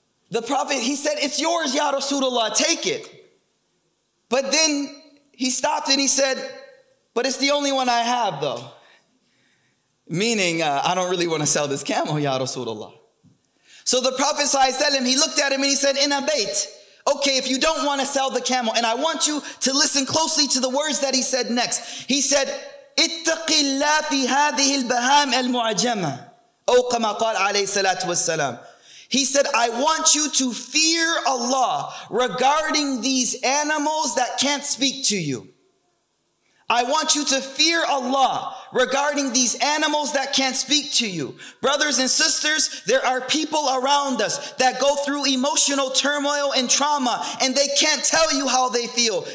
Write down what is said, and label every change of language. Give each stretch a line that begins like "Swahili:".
English: The Prophet, he said, "It's yours, ya Rasulullah, take it." But then he stopped and he said, "But it's the only one I have, though." Meaning, I don't really want to sell this camel, ya Rasulullah. So the Prophet ﷺ, he looked at him and he said, "In abate." Okay, if you don't want to sell the camel, and I want you to listen closely to the words that he said next. He said,
Arabic: "اتقِ اللَّه في هذه البهام المعجمة." أو كما قال عليه الصلاة والسلام.
English: He said, "I want you to fear Allah regarding these animals that can't speak to you. I want you to fear Allah regarding these animals that can't speak to you." Brothers and sisters, there are people around us that go through emotional turmoil and trauma, and they can't tell you how they feel.